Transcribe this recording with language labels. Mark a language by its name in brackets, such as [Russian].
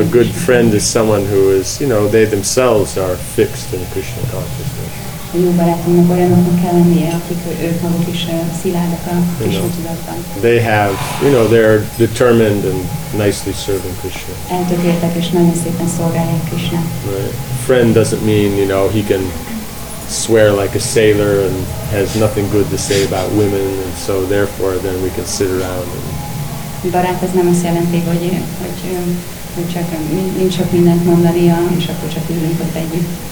[English] a good friend is someone who is, you know, they themselves are fixed in Krishna consciousness. [Hungarian] A jó barátomnak olyanoknak kell lennie, akik ők maguk is szilárdak a Krisna-tudatban. [English] They have, you know, they're determined and nicely serving Krishna. [Hungarian] Eltökéltek és nagyon szépen szolgálják Krishna. [English] Right. Friend doesn't mean, you know, he can swear like a sailor and has nothing good to say about women, and so therefore then we can sit around and... [Hungarian] Barát ez nem azt jelenti, hogy csak nincs sok mindent mondani, és akkor csak ülünk ott együtt.